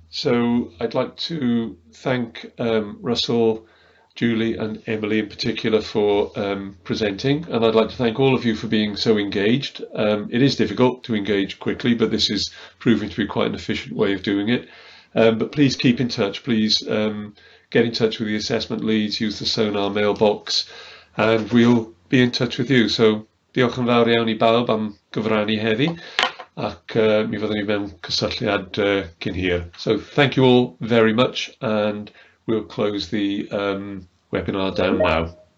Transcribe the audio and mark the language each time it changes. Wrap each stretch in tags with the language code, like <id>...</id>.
<en>So I'd like to thank Russell, Julie and Emily in particular for presenting, and I'd like to thank all of you for being so engaged. It is difficult to engage quickly, but this is proving to be quite an efficient way of doing it. But please keep in touch, please get in touch with the assessment leads, use the SoNaRR mailbox, and we'll be in touch with you.</en> <cy>So diolch yn fawr iawn I bawb am gyfrannu heddi, ac mi fyddwn ni mewn cysylltiad cyn hir.</cy> <en>So thank you all very much, and we'll close the webinar down now.</en>